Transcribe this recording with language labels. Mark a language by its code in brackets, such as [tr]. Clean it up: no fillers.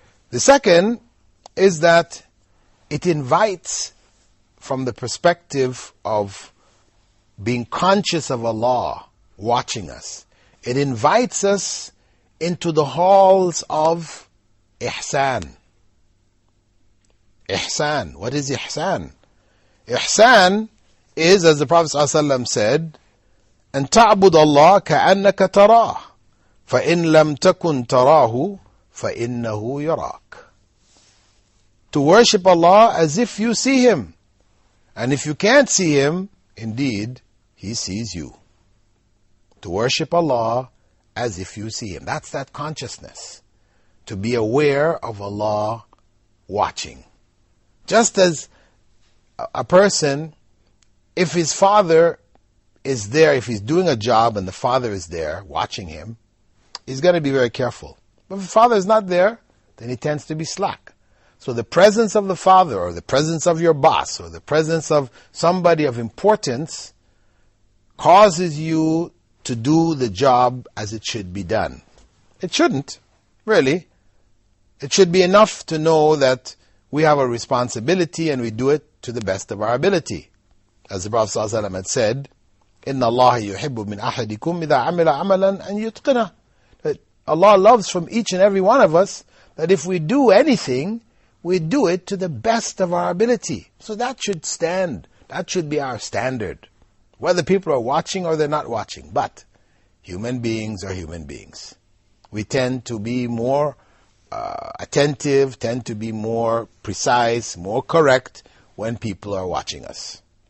[en] The second is that it invites, from the perspective of being conscious of Allah watching us, it invites us into the halls of Ihsan. Ihsan. What is Ihsan? Ihsan is, as the Prophet ﷺ said, [ar] أَن تَعْبُدَ اللَّهَ كَأَنَّكَ تَرَاهُ فَإِن لَمْ تَكُن تَرَاهُ فَإِنَّهُ يَرَاكَ. [en] To worship Allah as if you see Him. And if you can't see Him, indeed, He sees you. to worship Allah as if you see Him. That's that consciousness, to be aware of Allah watching. Just as a person, if his father is there, if he's doing a job and the father is there watching him, he's going to be very careful. But if the father is not there, then he tends to be slack. So the presence of the father, or the presence of your boss, or the presence of somebody of importance, causes you to do the job as it should be done. It shouldn't, really. It should be enough to know that we have a responsibility and we do it to the best of our ability. As the Prophet ﷺ had said, [ar] إِنَّ اللَّهَ يُحِبُّ مِنْ أَحَدِكُمْ إِذَا عَمِلَ عَمَلًا أَنْ يُتْقِنَهُ. [en] Allah loves from each and every one of us that if we do anything, we do it to the best of our ability. So that should stand. That should be our standard, whether people are watching or they're not watching. But human beings are human beings. We tend to be more attentive, tend to be more precise, more correct when people are watching us.